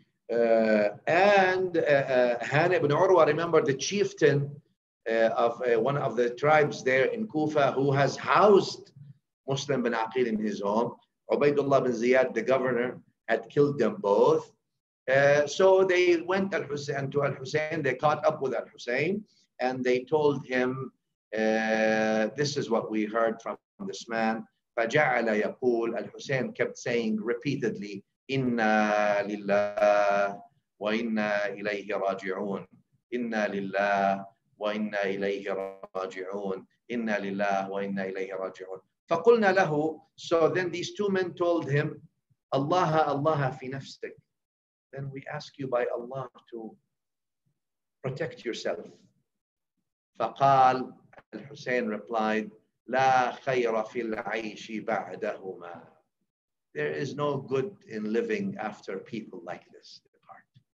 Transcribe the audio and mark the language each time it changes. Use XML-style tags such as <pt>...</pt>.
<en>Hani bin Urwa, remember the chieftain of one of the tribes there in Kufa who has housed Muslim bin Aqil in his home. Ubaidullah bin Ziyad, the governor, had killed them both. So they went Al-Hussein to Al-Hussein, they caught up with Al-Hussein, and they told him, this is what we heard from this man.</en> <ar>فَجَعَلَ يَقُولُ,</ar> <en>Al-Hussein kept saying repeatedly,</en> <ar>إِنَّا لِلَّهِ وَإِنَّا إِلَيْهِ رَاجِعُونَ, إِنَّا لِلَّهِ وَإِنَّا إِلَيْهِ رَاجِعُونَ, إِنَّا لِلَّهِ وَإِنَّا إِلَيْهِ رَاجِعُونَ. فَقُلْنَا لَهُ,</ar> <en>so then these two men told him,</en> <ar>اللَّهَ اللَّهَ فِي نَفْسِكَ,</ar> <en>then we ask you by Allah to protect yourself.</en> <ar>فقال,</ar> <en>Al-Hussein replied,</en> <ar>لَا خَيْرَ فِي الْعَيْشِ بَعْدَهُمَا,</ar> <en>there is no good in living after people like this depart.</en>